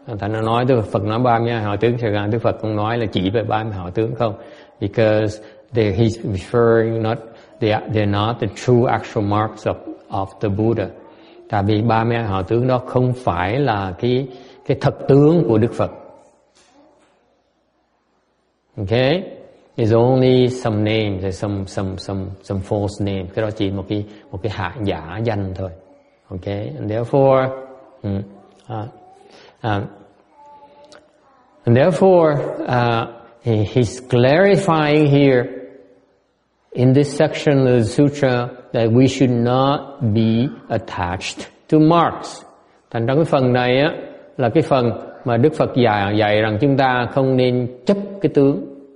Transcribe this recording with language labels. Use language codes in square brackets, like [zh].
[vi] Thành nó nói Đức Phật nói 32 hào tướng, thì Đức Phật cũng nói là chỉ về 32 hào tướng không. [en] Because he's referring not, they're not the true actual marks of the Buddha. [vi] Tại vì 32 hào tướng đó không phải là cái thật tướng của Đức Phật. [en] Okay? It's only some names, some false names. [vi] Cái đó chỉ một cái hạ giả danh thôi. Okay? [en] And therefore, he's clarifying here in this section of the sutra that we should not be attached to marks. [vi] Thành trong cái phần này á, là cái phần mà Đức Phật dạy rằng chúng ta không nên chấp cái tướng.